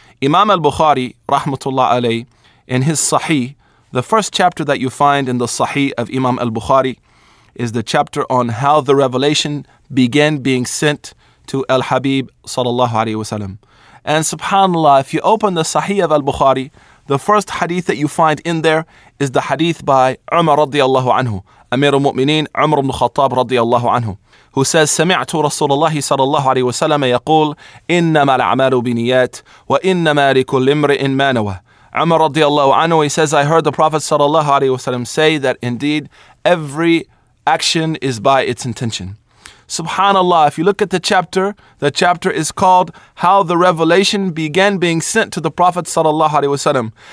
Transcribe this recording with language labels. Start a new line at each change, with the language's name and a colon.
English: Imam al-Bukhari rahmatullah alayhi, in his Sahih, the first chapter that you find in the Sahih of Imam al-Bukhari is the chapter on how the revelation began being sent to al-Habib sallallahu alayhi wa sallam. And subhanAllah, if you open the Sahih of al-Bukhari, the first hadith that you find in there is the hadith by Umar radiallahu anhu,
Arabic: أمير المؤمنين عمر بن الخطاب رضي الله عنه
English: who says,
Arabic: سمعت رسول الله صلى الله عليه وسلم يقول إنما الأعمال بنيات وإنما لكل امرئ ما نوى.
English: عمر رضي الله عنه, he says, I heard the Prophet صلى الله عليه وسلم say that indeed every action is by its intention. Subhanallah, if you look at the chapter is called How the Revelation Began Being Sent to the Prophet sallallahu alaihi wasallam.